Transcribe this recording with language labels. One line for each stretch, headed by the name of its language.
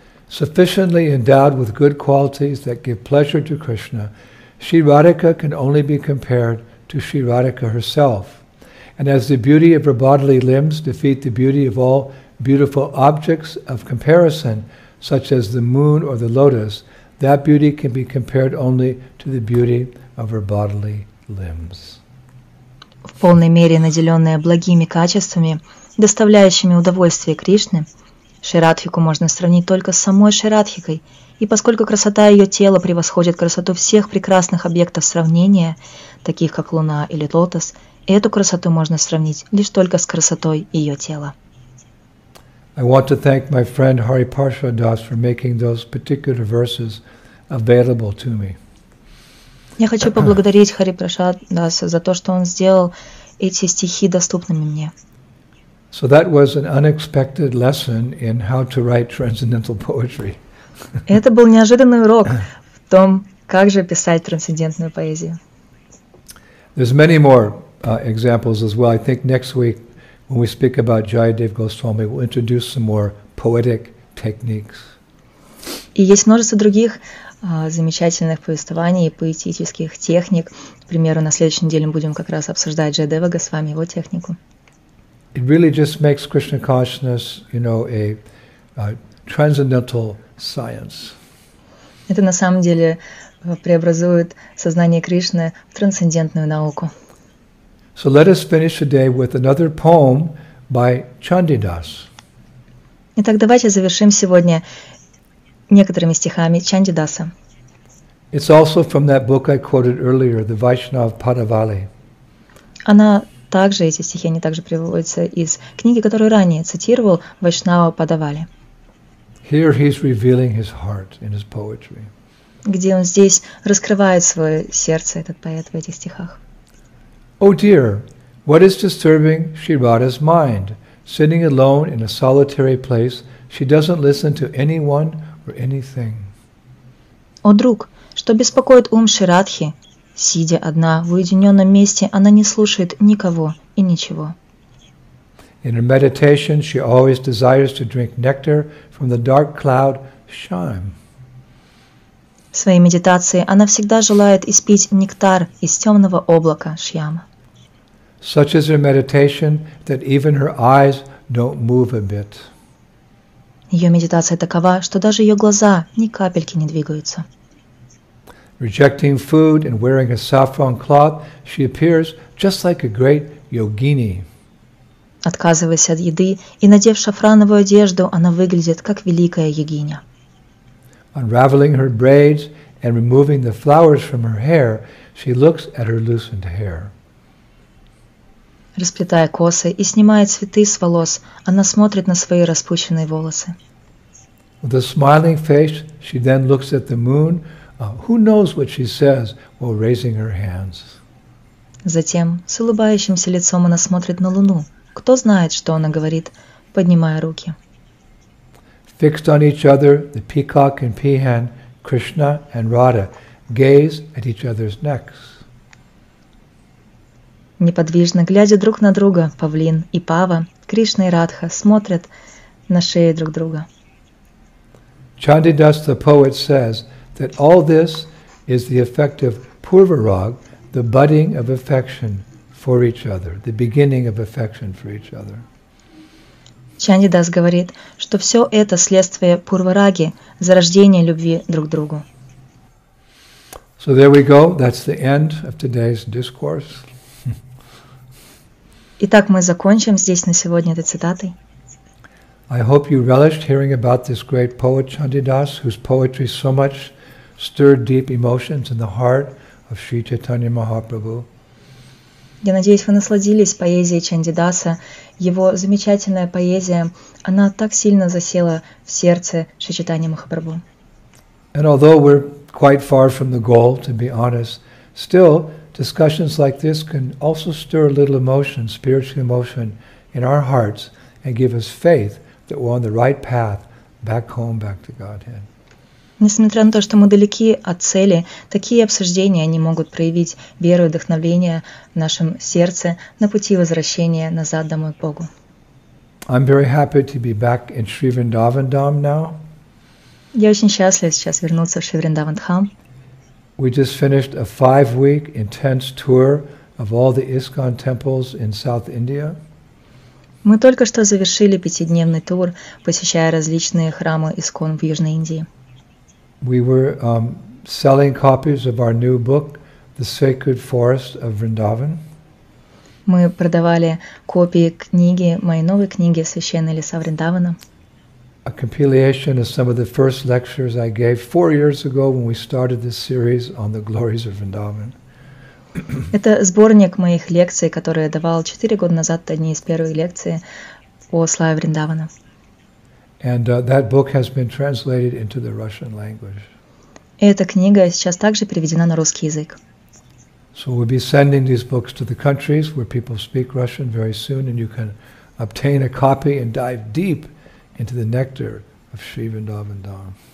English: Sufficiently endowed with good qualities that give pleasure to Krishna, Sri Radhika can only be compared to Sri Radhika herself. And as the beauty of her bodily limbs defeat the beauty of all beautiful objects of comparison, such as the moon or the lotus, that beauty can be compared only to the beauty of her bodily limbs.
Russian: В полной мере наделенная благими качествами, доставляющими удовольствие Кришне, Шрирадхику можно сравнить только с самой Шрирадхикой, и поскольку красота ее тела превосходит красоту всех прекрасных объектов сравнения, таких как луна или лотос, эту красоту можно сравнить лишь только с красотой ее тела.
English: I want to thank my friend Hari Parsha Das for making those particular verses available to me.
Russian: Я хочу поблагодарить Хари Прашад Даса за то, что он сделал эти стихи доступными мне.
English: So that was an unexpected lesson in how to write transcendental poetry.
Russian: Это был неожиданный урок в том, как же писать трансцендентную поэзию.
English: There's many more examples as well. I think next week, when we speak about Jayadev Goswami, we'll introduce some more poetic techniques.
Russian: И есть множество других замечательных повествований и поэтических техник. К примеру, на следующей неделе мы будем как раз обсуждать Джайдева Госвами, его технику.
English: It really just makes Krishna consciousness, you know, a transcendental science.
Russian: Это на самом деле преобразует сознание Кришны в трансцендентную науку.
English: So let us finish the day with another poem by Chandidas.
Russian: Итак, давайте завершим сегодня некоторыми стихами Чандидаса.
English: It's also from that book I quoted earlier, the Vaishnav Padavali.
Russian: Она также, эти стихи, они также приводятся из книги, которую ранее цитировал Вайшнава Падавали.
English: Here he's revealing his heart in his poetry.
Russian: Где он здесь раскрывает свое сердце, этот поэт, в этих стихах.
English: Oh dear, what is disturbing Shri Radha's mind? Sitting alone in a solitary place, she doesn't listen to anyone or anything.
Russian: О, друг, что беспокоит ум Шри Радхи? Сидя одна в уединенном месте, она не слушает никого и ничего.
English: In her meditation, she always desires to drink nectar from the dark cloud, Shyam.
Russian: В своей медитации она всегда желает испить нектар из темного облака, Шьяма.
English: Such is her meditation that even her eyes don't move a bit.
Russian: Ее медитация такова, что даже ее глаза ни капельки не двигаются.
English: Rejecting food and wearing a saffron cloth, she appears just like a great yogini.
Russian: Отказываясь от еды и надев шафрановую одежду, она выглядит как великая йогиня.
English: Unraveling her braids and removing the flowers from her hair, she looks at her loosened hair.
Russian: Расплетая косы и снимая цветы с волос, она смотрит на свои распущенные волосы.
English: With a smiling face, she then looks at the moon. Who knows what she says while raising her hands?
Russian: Затем, с улыбающимся лицом, она смотрит на луну. Кто знает, что она говорит, поднимая руки.
English: Fixed on each other, the peacock and peahen, Krishna and Radha, gaze at each other's necks.
Russian: Неподвижно глядя друг на друга, павлин и пава, Кришна и Радха смотрят на шеи друг друга.
English: Chandidas, the poet, says that all this is the effect of purvarag, the budding of affection for each other, the beginning of affection for each other.
Russian: Чандидас говорит, что все это следствие пурвараги, зарождение любви друг к другу.
English: So there we go. That's the end of today's discourse.
Russian: Итак, мы закончим здесь на сегодня этой цитатой.
English: I hope you relished hearing about this great poet Chandidas, whose poetry so much stirred deep emotions in the heart of Sri Chaitanya Mahaprabhu.
Russian: Я надеюсь, вы насладились поэзией Чандидаса. Его замечательная поэзия, она так сильно засела в сердце Шри Чайтаньи Махапрабху.
English: And although we're quite far from the goal, to be honest, still, discussions like this can also stir a little emotion, spiritual emotion, in our hearts and give us faith that we're on the right path back home, back to Godhead.
Russian: Несмотря на то, что мы далеки от цели, такие обсуждения, они могут проявить веру и вдохновение в нашем сердце на пути возвращения назад домой к Богу.
English: I'm very happy to be back in Sri Vrindavan Dham now.
Russian: Я очень счастлив сейчас вернуться в Шри Вриндаван Дхам.
English: We just finished a 5-week intense tour of all the ISKCON temples in South India.
Russian: Мы только что завершили 5-дневный тур, посещая различные храмы ИСКОН в Южной Индии.
English: We were selling copies of our new book, The Sacred Forest of Vrindavan.
Russian: Мы продавали копии книги, моей новой книги «Священные леса Вриндавана».
English: A compilation of some of the first lectures I gave 4 years ago when we started this series on the glories of Vrindavan.
Russian: Это сборник моих лекций, которые я давал 4 года назад, одни из первых лекций о славе Вриндавана.
English: And that book has been translated into the Russian language.
Russian: Эта книга сейчас также переведена на русский язык.
English: So we'll be sending these books to the countries where people speak Russian very soon, and you can obtain a copy and dive deep into the nectar of Sri Vrindavan Dham.